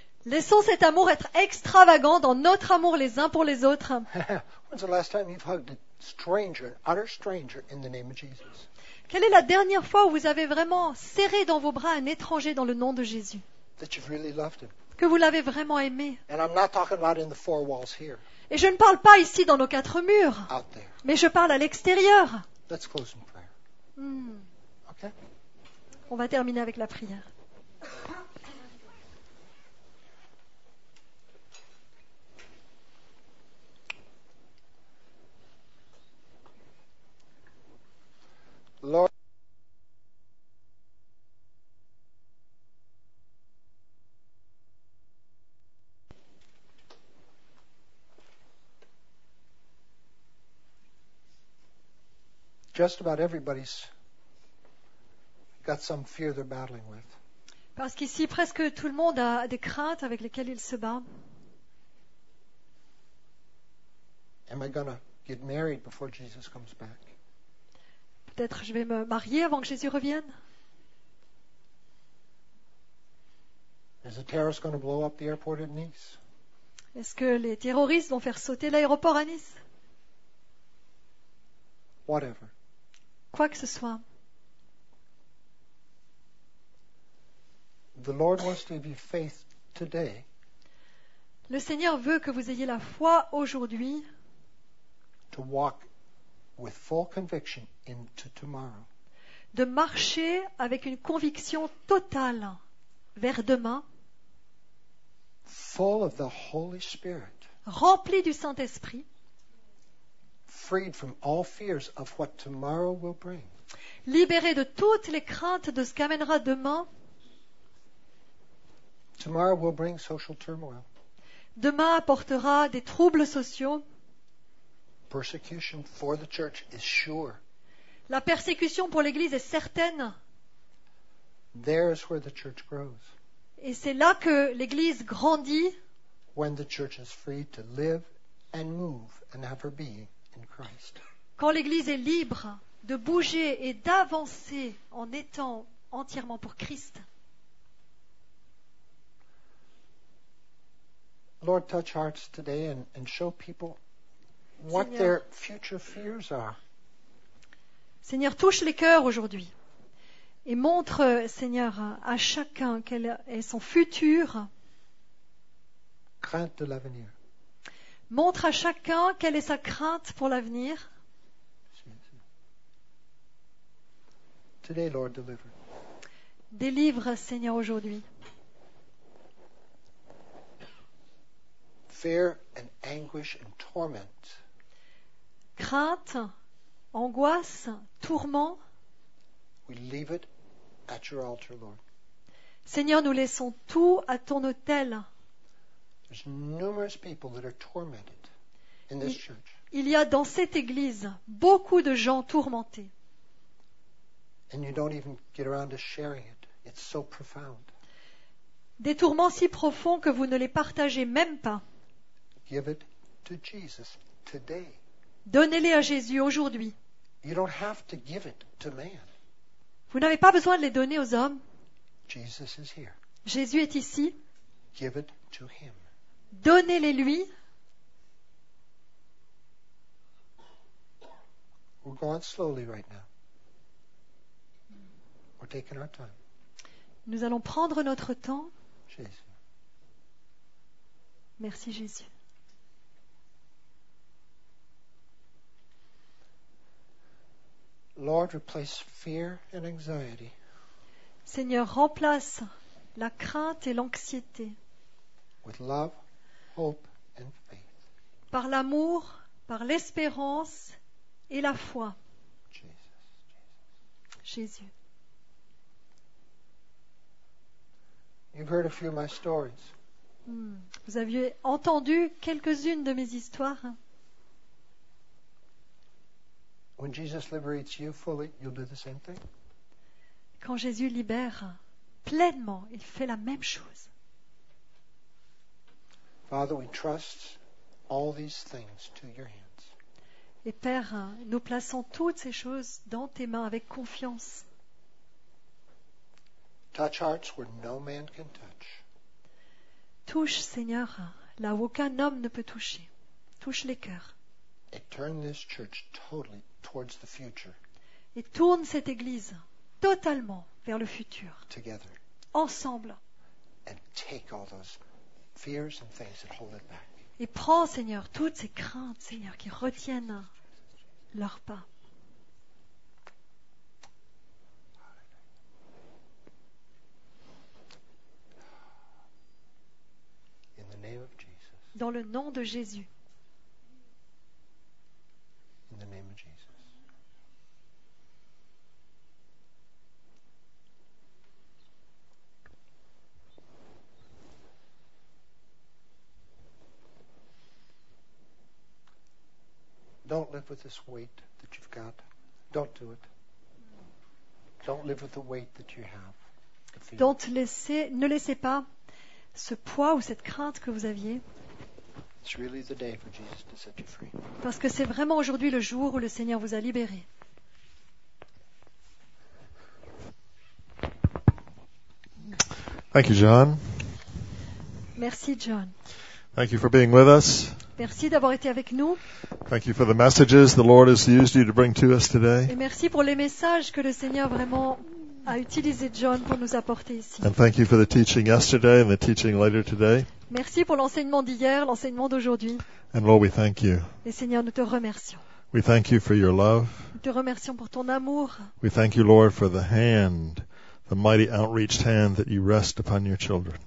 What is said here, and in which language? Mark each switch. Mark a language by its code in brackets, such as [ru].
[fr] Laissons cet amour être extravagant dans notre amour les uns pour les autres. [en] When's the last time you've hugged a stranger, an utter stranger, in the name of Jesus? [fr] Quelle est la dernière fois où vous avez vraiment serré dans vos bras un étranger dans le nom de Jésus? [en] That you've really loved him. [fr] Que vous l'avez vraiment aimé. [en] And I'm not talking about in the four walls here. [fr] Et je ne parle pas ici dans nos quatre murs. [en] Out there. [fr] Mais je parle à l'extérieur. [en] Let's close in prayer. Okay. [fr] On va terminer avec la prière. [en] Lord. Just about everybody's got some fear they're battling with. [fr] Parce qu'ici, presque tout le monde a des craintes avec lesquelles il se bat. [en] Am I gonna get married before Jesus comes back? [fr] Peut-être je vais me marier avant que Jésus revienne. [en] Is the terrorist gonna blow up the airport at Nice? [fr] Est-ce que les terroristes vont faire sauter l'aéroport à Nice? [en] Whatever. [fr] Quoi que ce soit. [en] The Lord wants to give you faith today. [fr] Le Seigneur veut que vous ayez la foi aujourd'hui. [en] To walk with full conviction into tomorrow. [fr] De marcher avec une conviction totale vers demain. [en] Full of the Holy Spirit. [fr] Rempli du Saint-Esprit. [en] Freed from all fears of what tomorrow will bring. [fr] Libéré de toutes les craintes de ce qu'amènera demain. [en] Tomorrow will bring social turmoil. [fr] Demain apportera des troubles sociaux. [en] Persecution for the church is sure. [fr] La persécution pour l'Église est certaine. [en] There is where the church grows. [fr] Et c'est là que l'Église grandit. [en] When the church is free to live and move and have her being in Christ. [fr] Quand l'Église est libre de bouger et d'avancer en étant entièrement pour Christ. [en] Lord, touch hearts today and show people what [fr] Seigneur, [en] their future fears are. [fr] Seigneur, touche les cœurs aujourd'hui et montre, Seigneur, à chacun quel est son futur. Crainte de l'avenir. Montre à chacun quelle est sa crainte pour l'avenir. [en] Today, Lord, deliver. [fr] Délivre, Seigneur, aujourd'hui. [en] Fear and anguish and torment. [fr] Crainte, angoisse, tourment. [en] We leave it at your altar, Lord. [fr] Seigneur, nous laissons tout à ton autel. [en] There's numerous people that are tormented. In this church. [fr] Il y a dans cette église beaucoup de gens tourmentés. [en] And you don't even get around to sharing it. It's so profound. [fr] Des tourments si profonds que vous ne les partagez même pas. [en] Give it to Jesus today. [fr] Donnez-les à Jésus aujourd'hui. [en] You don't have to give it to man. [fr] Vous n'avez pas besoin de les donner aux hommes. [en] Jesus is here. [fr] Jésus est ici. [en] Give it to him. [fr] Donnez-les lui. [en] We're going slowly right now. We're taking our time. [fr] Nous allons prendre notre temps. Jésus. Merci Jésus. [en] Lord, replace fear and anxiety. [fr] Seigneur, remplace la crainte et l'anxiété. [en] With love, hope and faith. [fr] Par l'amour, par l'espérance. Et la foi. [en] Jesus. [fr] Jésus. [en] You've heard a few of my stories. [fr] Vous aviez entendu quelques-unes de mes histoires. [en] When Jesus liberates you fully, you'll do the same thing. [fr] Quand Jésus libère pleinement, il fait la même chose. [en] Father, we trust all these things to your hands. [fr] Et Père, nous plaçons toutes ces choses dans tes mains avec confiance. [en] Touch hearts where no man can touch. [fr] Touche, Seigneur, là où aucun homme ne peut toucher. Touche les cœurs. [en] And turn this church totally towards the future. [fr] Et tourne cette église totalement vers le futur. [en] Together. [fr] Ensemble. [en] And take all those fears and things that hold it back. [fr] Et prends, Seigneur, toutes ces craintes, Seigneur, qui retiennent leur pas. [en] In the name of Jesus. [fr] Dans le nom de Jésus. [en] In the name of Jesus. Don't live with this weight that you've got. Don't do it. Don't live with the weight that you have. Don't [fr] laisser, ne laissez pas ce poids ou cette crainte que vous aviez. [en] It's really the day for Jesus to set you free. [fr] Parce que c'est vraiment aujourd'hui le jour où le Seigneur vous a libéré. [en] Thank you, John. [fr] Merci, John. [en] Thank you for being with us. [fr] Merci d'avoir été avec nous. [en] Thank you for the messages the Lord has used you to bring to us today. [fr] Et merci pour les messages que le Seigneur vraiment a utilisé John pour nous apporter ici. [en] And thank you for the teaching yesterday and the teaching later today. [fr] Merci pour l'enseignement d'hier, l'enseignement d'aujourd'hui. [en] And Lord, we thank you. [fr] Et Seigneur, nous te remercions. [en] We thank you for your love. [fr] Nous te remercions pour ton amour. [en] We thank you, Lord, for the hand, the mighty outreached hand that you rest upon your children.